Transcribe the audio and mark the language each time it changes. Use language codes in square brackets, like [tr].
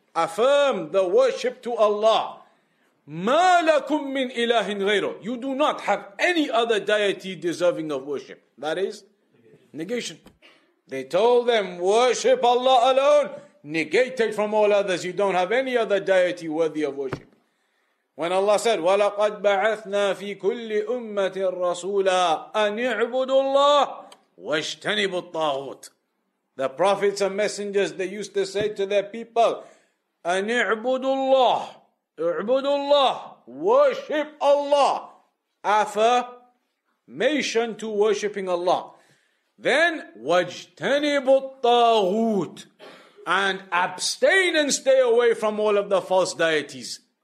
[en] Affirm the worship to Allah. [ar] Ma lakum min ilahin ghayru. [en] You do not have any other deity deserving of worship. That is negation. They told them, worship Allah alone, negated from all others. You don't have any other deity worthy of worship. When Allah said, [ar] وَلَقَدْ بَعَثْنَا فِي كُلِّ أُمَّةٍ رَسُولًا أَنِ اعْبُدُوا اللَّهِ وَاجْتَنِبُوا الطَّاغُوتِ. [en] The prophets and messengers, they used to say to their people, [ar] أَنِ اعْبُدُوا اللَّهِ اعْبُدُوا اللَّهِ [en] worship Allah. Affirmation to worshipping Allah. Then, [ar] وَاجْتَنِبُوا الطَّاغُوتِ [en] and abstain and stay away from all of the false deities.